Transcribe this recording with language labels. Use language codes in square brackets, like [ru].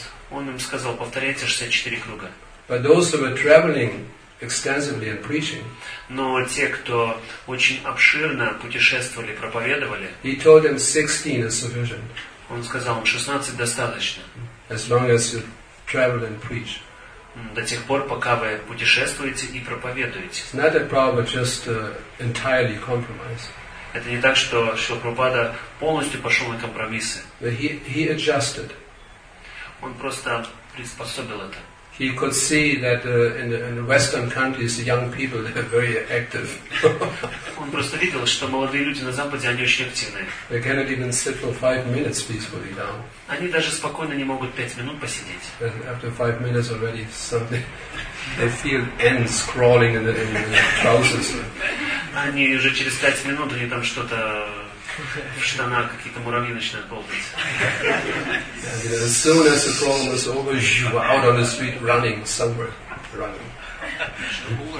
[ru] Он им сказал, повторяйте 64 круга. [en] But those who were traveling extensively and preaching, [ru] но те, кто очень обширно путешествовали, проповедовали, [en] he told them 16 is sufficient. [ru] Он сказал им, 16 достаточно. [en] As long as you travel and preach. [ru] До тех пор, пока вы путешествуете и проповедуете. [en] It's not a problem, just, entirely compromise. [ru] Это не так, что Шрила Прабхупада полностью пошел на компромиссы. [en] But he adjusted. [ru] Он просто приспособил это. [en] He could see that in the Western countries, the young people they are very active. [ru] Он просто видел, что молодые люди на Западе они очень активные. [en] They cannot even sit for 5 minutes peacefully now. [ru] Они даже спокойно не могут 5 минут посидеть. [en] And after 5 minutes already, something they feel ants crawling in the trousers. [ru] Они уже через 5 минут они там что-то в штанах какие-то муравьи начинают ползать. [en] As soon as the problem is over, you are out on the street running somewhere, running.